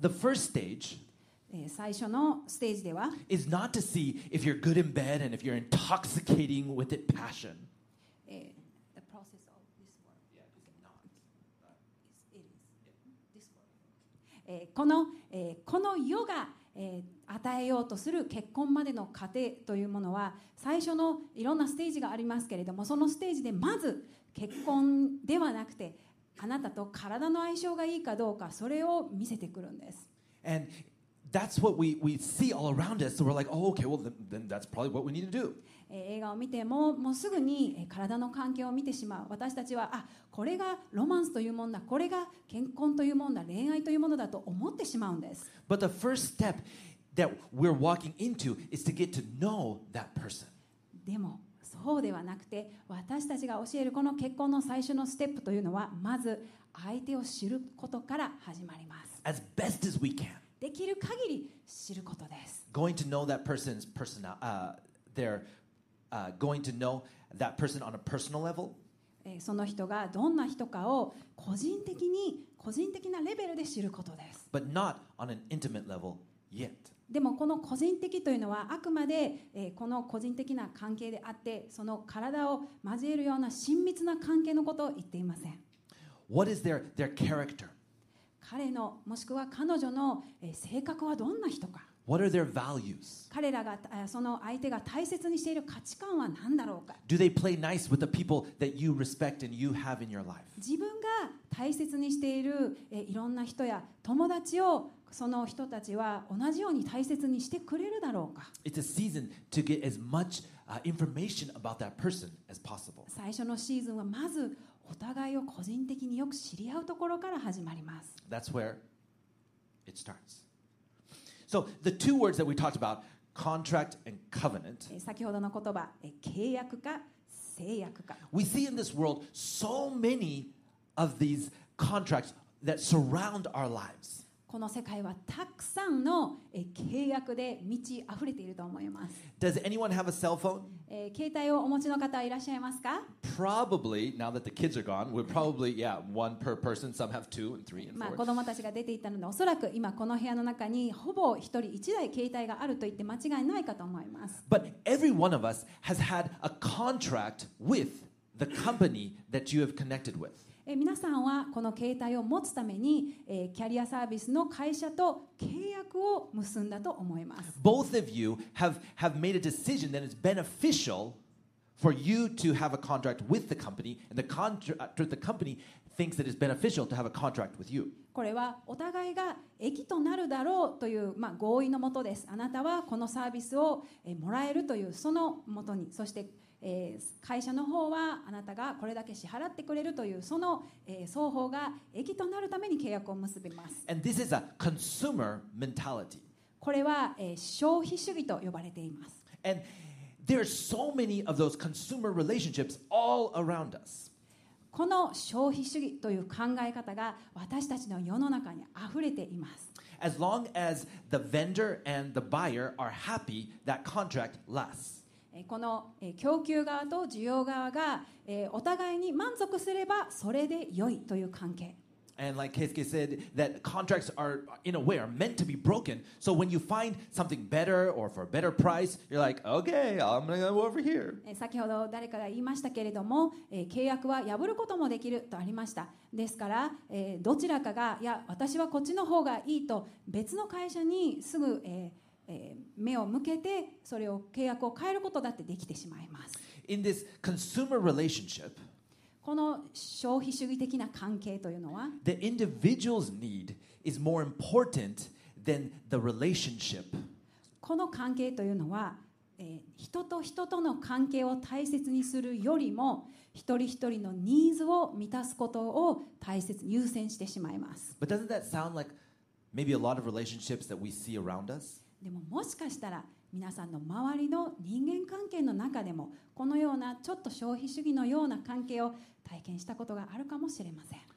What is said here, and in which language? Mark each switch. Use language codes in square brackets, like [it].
[en] The first stage. [ja] 最初のステージでは、 [en] is not to see if you're good in bed and if you're intoxicating with it passion. The process of this world. Yeah, it's not. It is. This world. [ja] この世が与えようとする結婚までの過程というものは、最初のいろんなステージがありますけれども、そのステージでまず結婚ではなくて、あなたと体の相性がいいかどうか、それを見せてくるんです。 [en] And That's what we see all around us. So we're like, oh, okay, well, then that's probably what we need to do. [ja] 映画を見てももうすぐに体の関係を見てしまう。私たちは、あ、これがロマンスというもんだ、これが結婚というもんだ、恋愛というものだと思ってしまうんです。 [en] But the first step that we're walking into is to get to know that person. [ja] でもそうではなくて、私たちが教えるこの結婚の最初のステップというのは、まず相手を知ることから始まります。 [en] As best as we can. [ja] できる限り知ることです。 [en] Going to know that person's personal, they're going to know that person on a personal level. [ja] その人がどんな人かを個人的に、個人的なレベルで知ることです。 [en] But not on an intimate level yet. [ja] でもこの個人的というのはあくまで、この個人的な関係であって、その体を交えるような親密な関係のことを言っていません。 [en] What is their character? [ja] 彼のもしくは彼女の性格はどんな人か。 [en] What are their values? [ja] 彼らがその相手が大切にしている価値観は何だろうか。 [en] Do they play nice with the people that you respect and you have in your life? [ja] 自分が大切にしているいろんな人や友達をその人たちは同じように大切にしてくれるだろうか。 [en] It's a season to get as much information about that person as possible. [ja] 最初のシーズンはまずお互いを個人的によく知り合うところから始まります。 [en] That's where it starts. So the two words that we talked about, contract and covenant. [ja] 先ほどの言葉、契約か誓約か。 [en] We see in this world so many of these contracts that surround our lives. [ja] この世界はたくさんの契約で満ち溢れていると思います。 [en] Does anyone have a cell phone? [ja] 携帯をお持ちの方いらっしゃいますか? [en] Probably, now that the kids are gone, we're probably, yeah, one per person. Some have two and three and four. [ja] 子供たちが出ていったので、おそらく今この部屋の中にほぼ一人一台携帯があると言って間違いないかと思います。 [en] But every one of us has had a contract with the company that you have connected with. [ja] 皆さんはこの携帯を持つために、キャリアサービスの会社と契約を結んだと思います。 [en] Both of you have made a decision that is beneficial for you to have a contract with the company, and the company thinks that it's beneficial to have a contract with you. [ja] これはお互いが益となるだろうという、合意のもとです。あなたはこのサービスを、もらえるというそのもとに、そして会社の方はあなたがこれだけ支払ってくれるというその双方が益となるために契約を結びます。 [en] And this is a consumer mentality. [ja] これは消費主義と呼ばれています。 [en] And there are so many of those consumer relationships all around us. [ja] この消費主義という考え方が私たちの世の中にあふれています。 [en] As long as the vendor and the buyer are happy, that contract lasts. [ja] この供給側と需要側がお互いに満足すればそれで良いという関係。 [en] And like Keisuke said, that contracts are, in a way, are meant to be broken. So when you find something better or for a better price, you're like, okay, I'm going to go over here. [ja] 先ほど誰かが言いましたけれども、契約は破ることもできるとありました。ですから、どちらかが、いや、私はこっちの方がいいと別の会社にすぐ、目を向けて、それを契約を変えることだってできてしまいます。 [en] In this consumer relationship, [ja] この消費主義的な関係というのは、 [en] The individual's need is more important than the relationship. [ja] この関係というのは、人と人との関係を大切にするよりも、一人一人のニーズを満たすことを大切に優先してしまいます。 [en] But doesn't that sound like maybe a lot of relationships that we see around us? [ja] でももしかしたら、皆さんの周りの人間関係の中でもこのようなちょっと消費主義のような関係を体験したことがあるかもしれません。